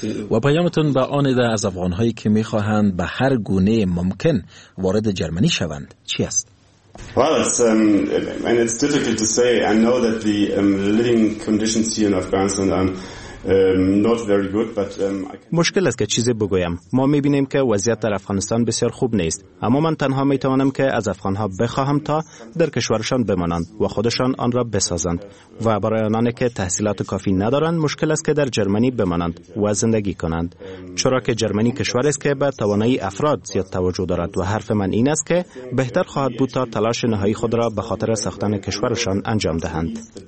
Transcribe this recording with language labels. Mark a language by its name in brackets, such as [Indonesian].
[Persian] و پیامتون به آن ده از افغانهایی که میخواهند به هر گونه ممکن وارد جرمنی شوند چی است؟ [English] Well, it's difficult to say. I know that the living conditions here in Afghanistan are not very good, but [Persian] مشکل است که چیزی بگویم. ما می‌بینیم که وضعیت در افغانستان بسیار خوب نیست. اما من تنها می‌توانم که از افغان‌ها بخواهم تا در کشورشان بمانند و خودشان آن را بسازند. و برای آنانی که تحصیلات کافی ندارند، مشکل است که در جرمنی بمانند و زندگی کنند. چرا که جرمنی کشوری است که به توانایی افراد زیاد توجه دارد و حرف من این است که بهتر خواهد بود تا تلاش نهایی خود را به خاطر ساختن کشورشان انجام دهند.